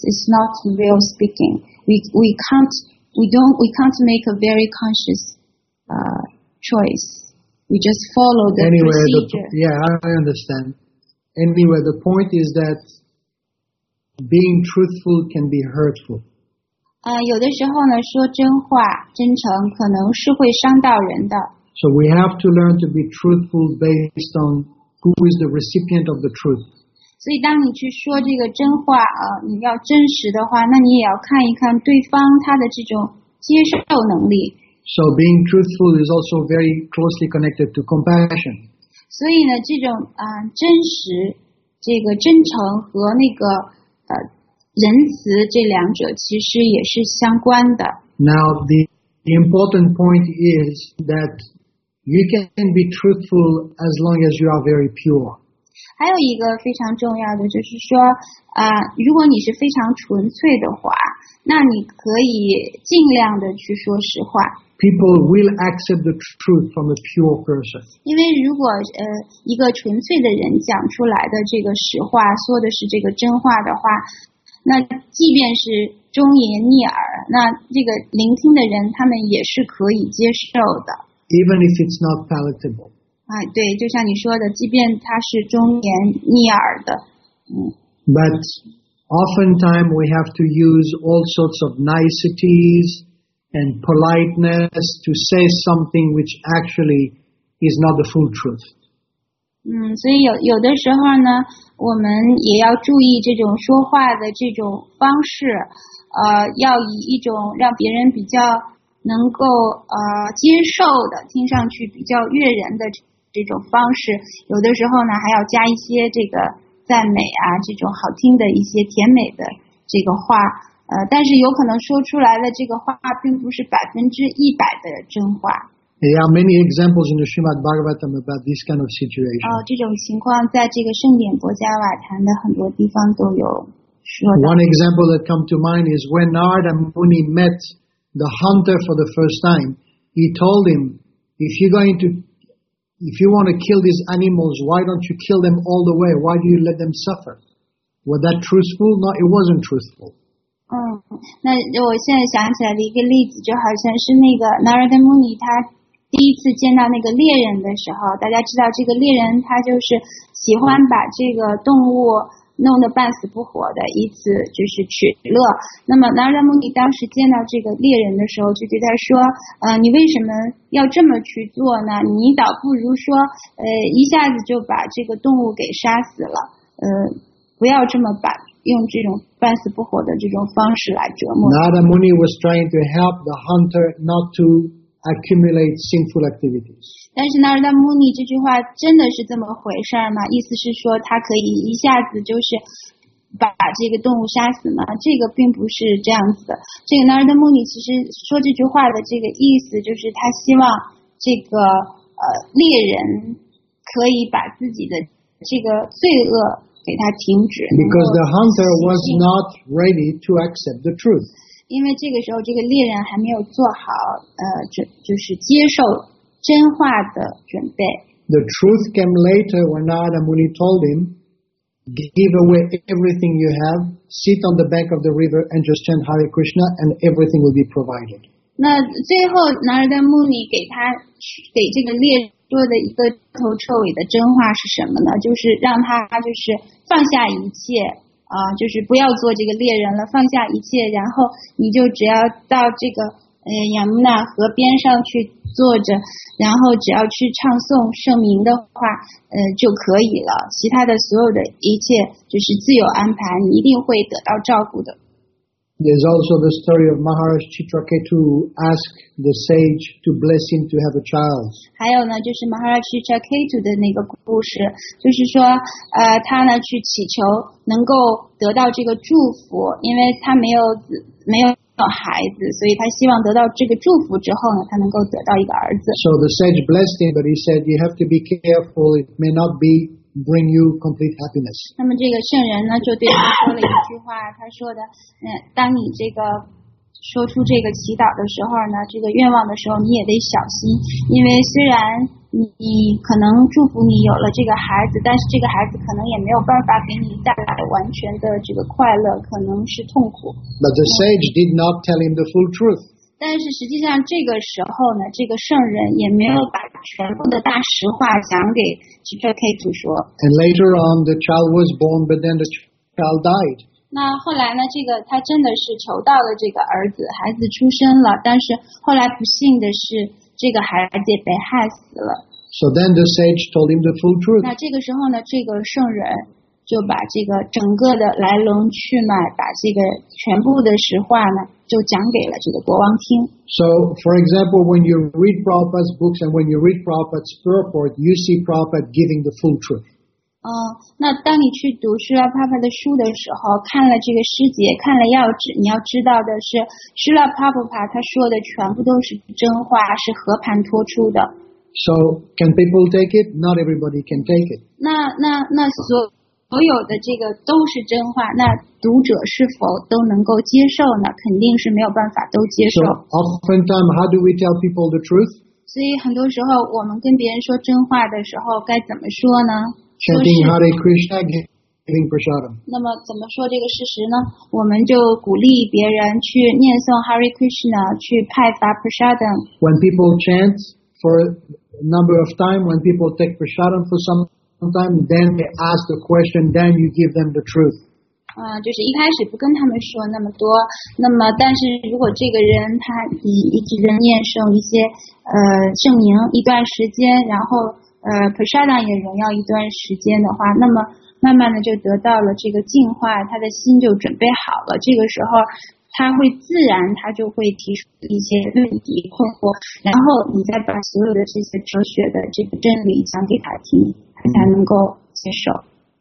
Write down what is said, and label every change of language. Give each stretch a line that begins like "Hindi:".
English: It's not real speaking. We can't make a very conscious choice. We just follow the procedure. Yeah, I understand. Anyway, the point is that being truthful can be hurtful.
Chinese: 有的时候呢，说真话、真诚可能是会伤到人的。
English: So we have to learn to be truthful based on who is the recipient of the truth.
Chinese: 所以当你去说这个真话，你要真实的话，那你也要看一看对方他的这种接受能力。
English: So being truthful is also very closely connected to compassion.
Chinese: 所以呢，这种真实，这个真诚和那个仁慈这两者其实也是相关的。
English: Now the important point is that you can be truthful as long as you are very pure.
Chinese: 还有一个非常重要的就是说，如果你是非常纯粹的话，那你可以尽量的去说实话。
English: people will accept the truth from a pure person.
Chinese: 因为如果一个纯粹的人讲出来的这个实话，说的是这个真话的话，那即便是忠言逆耳，那这个聆听的人他们也是可以接受的。
English: Even if it's not palatable.
Chinese: 啊，对，就像你说的，即便他是忠言逆耳的，
English: But oftentimes we have to use all sorts of niceties and politeness to say something which actually is not the full truth.
Chinese: 所以有的时候呢，我们也要注意这种说话的这种方式，要以一种让别人比较能够接受的，听上去比较悦人的这种方式，有的时候呢还要加一些这个赞美啊，这种好听的一些甜美的这个话，但是有可能说出来的这个话并不是100%的真话。
English: There are many examples in the Srimad Bhagavatam about this kind of situation.
Chinese: 这种情况在这个圣典博迦瓦坛的很多地方都有说到。
English: One example that comes to mind is when Narada Muni met the hunter for the first time, he told him, if you want to kill these animals, why don't you kill them all the way? Why do you let them suffer? Was that truthful? No, it wasn't truthful.
Chinese: 那我现在想起来的一个例子，就好像是那个 Narada Muni 他第一次见到那个猎人的时候，大家知道这个猎人他就是喜欢把这个动物弄得半死不活的，以此就是取乐。那么 Narada Muni 当时见到这个猎人的时候，就对他说：“你为什么要这么去做呢？你倒不如说，一下子就把这个动物给杀死了，不要这么把用这种半死不活的这种方式来折磨。”
English: Narada Muni was trying to help the hunter not to accumulate sinful activities.
Chinese: 但是 Narada Muni 这句话真的是这么回事吗？意思是说他可以一下子就是把这个动物杀死吗？这个并不是这样子的。这个 Narada Muni 其实说这句话的这个意思就是他希望这个猎人可以把自己的这个罪恶给他停止。
English: Because the hunter was not ready to accept the truth.
Chinese: 因为这个时候这个猎人还没有做好就是接受真话的准备。
English: The truth came later when Narada Muni told him, give away everything you have, sit on the bank of the river and just chant Hare Krishna and everything will be provided.
Chinese: 那最后 Narada Muni 给这个猎人说的一个头彻尾的真话是什么呢？就是让他就是放下一切。就是不要做这个猎人了，放下一切，然后你就只要到这个Yamuna河边上去坐着，然后只要去唱诵圣名的话，就可以了。其他的所有的一切就是自有安排，你一定会得到照顾的。
English: There's also the story of Maharaj Chitraketu who asked the sage to bless him to have a child.
Chinese: 还有呢，就是 Maharaj Chitraketu 的那个故事，就是说，他呢去祈求能够得到这个祝福，因为他没有孩子，所以他希望得到这个祝福之后呢，他能够得到一个儿子。
English: So the sage blessed him, but he said, "You have to be careful. It may not be bring you complete happiness."
Chinese: 那么这个圣人呢，就对他说了一句话，他说的，当你这个说出这个祈祷的时候呢，这个愿望的时候，你也得小心，因为虽然你可能祝福你有了这个孩子，但是这个孩子可能也没有办法给你带来完全的这个快乐，可能是痛苦。
English: But the sage did not tell him the full truth.
Chinese: 但是实际上这个时候呢，这个圣人也没有把全部的大实话讲给 Chitraketu 说。
English: And later on, the child was born, but then the child died.
Chinese: 那后来呢，这个他真的是求到了这个儿子，孩子出生了，但是后来不幸的是这个孩子被害死了。
English: So then the sage told him the full truth.
Chinese: 那这个时候呢，这个圣人就把这个整个的来龙去脉，把这个全部的实话呢，就讲给了这个国王听。
English: So, for example, when you read Prabhupada's books and when you read Prabhupada's purport, you see Prabhupada giving the full truth.
Chinese: 那当你去读Srila Prabhupada的书的时候，看了这个诗节，看了要旨，你要知道的是Srila Prabhupada他说的全部都是真话，是和盘托出的。
English: So, can people take it? Not everybody can take it.
Chinese: 那所所有的这个都是真话，那读者是否都能够接受呢？肯定是没有办法都接受。
English: So oftentimes, how do we tell people the truth?
Chinese: 所以很多时候，我们跟别人说真话的时候，该怎么说呢？
English: Chanting Hare Krishna, giving prasadam.
Chinese: 那么怎么说这个事实呢？我们就鼓励别人去念诵 Hare Krishna, 去派发 prasadam.
English: When people chant for a number of time, when people take prasadam for sometimes, then they ask the question, then you give them the truth.
Chinese: 就是一开始不跟他们说那么多，那么但是如果这个人他一直在念诵一些圣名一段时间，然后prasadam 也荣耀一段时间的话，那么慢慢的就得到了这个净化，他的心就准备好了，这个时候他会自然他就会提出一些问题困惑，然后你再把所有的这些哲学的这个真理讲给他听，才能够接受。